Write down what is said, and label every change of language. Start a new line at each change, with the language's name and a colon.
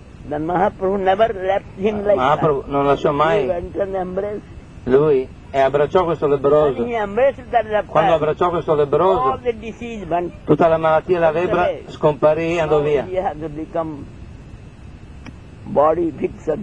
English: Then Mahaprabhu never left him like that.
Italian: Mahaprabhu non lasciò mai.
English: He went and embraced.
Italian: Lui e abbracciò questo lebroso. Quando abbracciò questo lebroso,
English: all the disease went,
Italian: tutta la malattia e la lebbra scomparì e andò via.
English: He had to become body fixed.